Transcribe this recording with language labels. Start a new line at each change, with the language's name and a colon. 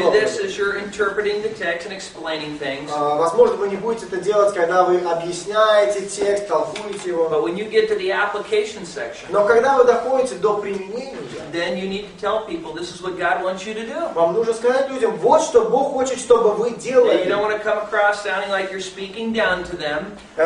English: You might not do this as you're interpreting the text and explaining things.
Russian: Возможно, вы не будете это делать, когда вы объясняете текст, толкуете его.
English: But when you get to the application section,
Russian: но когда вы доходите до применения,
English: then you need to tell people this is what God wants you to do.
Russian: Вам нужно сказать людям, вот что Бог хочет, чтобы вы делали.
English: You don't want to come across sounding like you're speaking down to them.